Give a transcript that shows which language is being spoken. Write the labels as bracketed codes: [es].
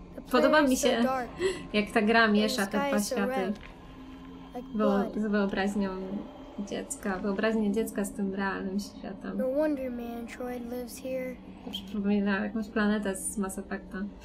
[pl] Podoba mi się, jak ta gra miesza te dwa światy. Wyobraźnią dziecka. Wyobraźnię dziecka z tym realnym światem. [en] No wonder Mantroid lives here. [pl] Przypomina jakąś planetę z Mass Effecta.